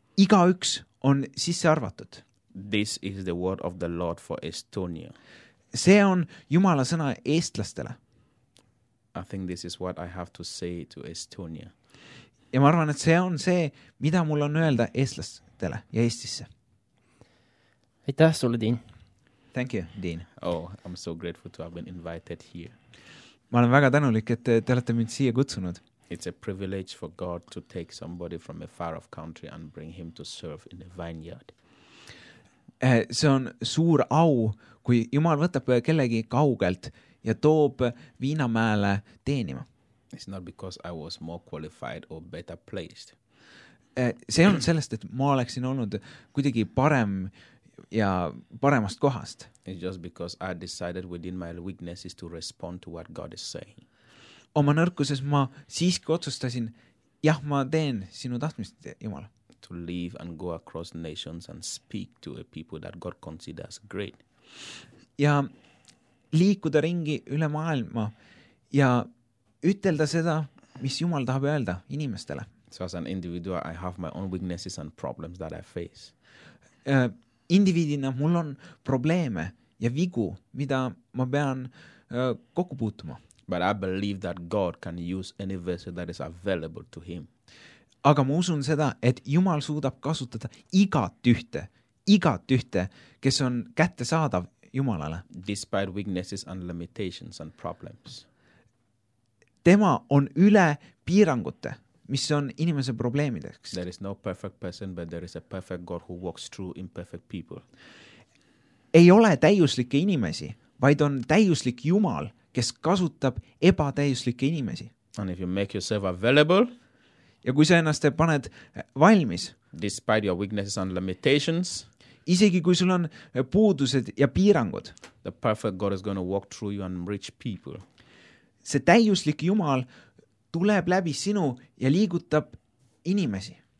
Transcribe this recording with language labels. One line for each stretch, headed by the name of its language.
Estonian: Iga üks on sisse arvatud.
English: This is the word of the Lord for Estonia.
Estonian: See on Jumala sõna eestlastele.
English: I think this is what I have to say to Estonia.
Estonian: Ja ma arvan, et see on see, mida mul on öelda eestlastele ja Eestisse. Aitäh sulle, Dean.
English: Thank you, Dean. Oh, I'm so grateful to have been invited here.
Estonian: Ma olen väga tänulik, et te olete mind siia kutsunud.
English: It's a privilege for God to take somebody from a far off country and bring him to serve in a vineyard.
Estonian: See on suur au, kui Jumal võtab kellegi kaugelt ja toob viinamäele teenima.
English: It's not because I was more qualified or better placed.
Estonian: See on sellest, et ma oleksin olnud kuidagi parem ja paremast kohast.
English: It's just because I decided within my weaknesses to respond to what God is saying.
Estonian: Oma nõrkuses ma siiski otsustasin, jah, ma teen sinu tahtmist, Jumal.
English: To live and go across nations and speak to a people that God considers great.
Estonian: Ja liikuda ringi üle maailma ja ütelda seda, mis Jumal tahab öelda inimestele.
English: So as an individual, I have my own weaknesses and problems that I face.
Estonian: Indiviidina mul on probleeme ja vigu, mida ma pean kokku puutuma.
English: But I believe that God can use any vessel that is available to him.
Estonian: aga ma usun seda, et Jumal suudab kasutada igat ühte, kes on kätte saadav Jumalale.
English: Despite weaknesses and limitations and problems.
Estonian: Tema on üle piirangute, mis on inimese probleemideks.
English: There is no perfect person, but there is a perfect God who walks through imperfect people.
Estonian: Ei ole täiuslike inimesi, vaid on täiuslik Jumal, kes kasutab ebatäiuslike inimesi.
English: And if you make yourself available,
Estonian: ja kui sa ennast paned valmis,
English: despite your weaknesses and limitations,
Estonian: isegi kui sul on puudused ja piirangud,
English: the perfect God is going to walk through you and reach people.
Estonian: See täiuslik Jumal tuleb läbi sinu ja liigutab inimesi.